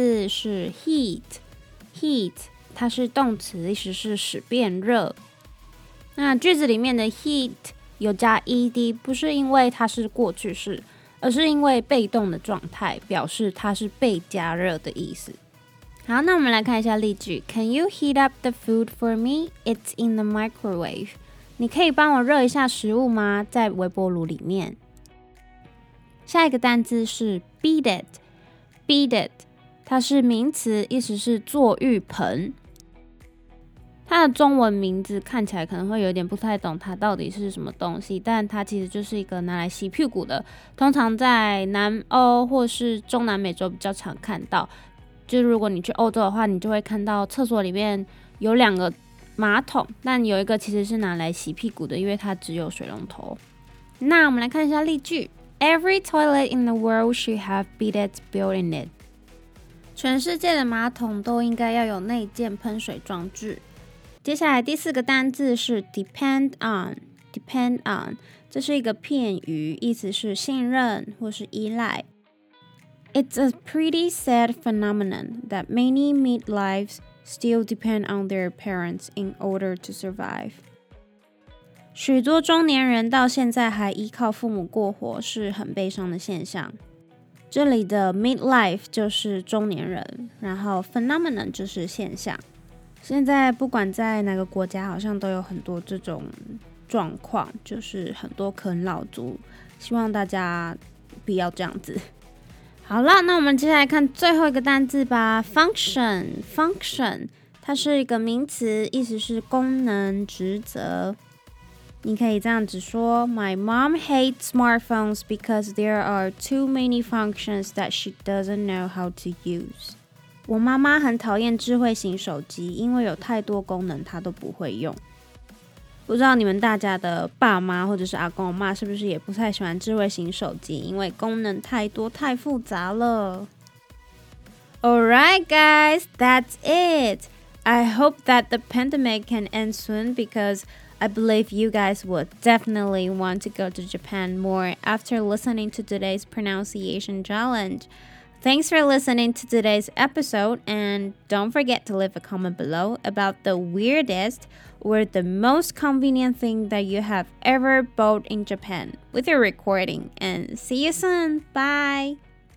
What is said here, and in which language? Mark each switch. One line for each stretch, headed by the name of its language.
Chinese: 我希望我的车子可以在我很累的时候自动驾驶，但是希望大家开车的时候还是要尽量自己开，因为自动驾驶好像还不太能信任。第二个单字是heat，heat 它是动词，意思是使变热。那句子里面的heat 有加ed， 不是因为它是过去式，而是因为被动的状态，表示它是被加热的意思。好，那我们来看一下例句。
English: Can you heat up the food for me? It's in the microwave.
Chinese: 你可以帮我热一下食物吗？在微波炉里面。下一个单字是 beaded。 Beaded 它是名词， 意思是坐浴盆。它的中文名字看起来可能会有点不太懂它到底是什么东西，但它其实就是一个拿来洗屁股的，通常在南欧或是中南美洲比较常看到。 就如果你去欧洲的话，你就会看到厕所里面有两个马桶，但有一个其实是拿来洗屁股的，因为它只有水龙头。那我们来看一下例句。
English: Every toilet in the world should have bidets built in it.
Chinese: 全世界的马桶都应该要有内建喷水装置。接下来第四个单字是 depend on, depend on, 这是一个片语，意思是信任或是依赖。
English: It's a pretty sad phenomenon that many midwives still depend on their parents in order to survive.
Chinese: 许多中年人到现在还依靠父母过活，是很悲伤的现象。这里的 midlife 就是中年人，然后 phenomenon 就是现象。现在不管在哪个国家，好像都有很多这种状况，就是很多啃老族，希望大家不要这样子。好了，那我们接下来看最后一个单字吧。 function function 它是一个名词，意思是功能、职责。你可以这样子说，
English: My mom hates smartphones because there are too many functions that she doesn't know how to use.
Chinese: 我妈妈很讨厌智慧型手机，因为有太多功能她都不会用。不知道你们大家的爸妈或者是阿公阿嬷是不是也不太喜欢智慧型手机，因为功能太多太复杂了。
English: Alright guys, that's it. I hope that the pandemic can end soon becauseI believe you guys would definitely want to go to Japan more after listening to today's pronunciation challenge. Thanks for listening to today's episode, and don't forget to leave a comment below about the weirdest or the most convenient thing that you have ever bought in Japan with your recording. And see you soon! Bye!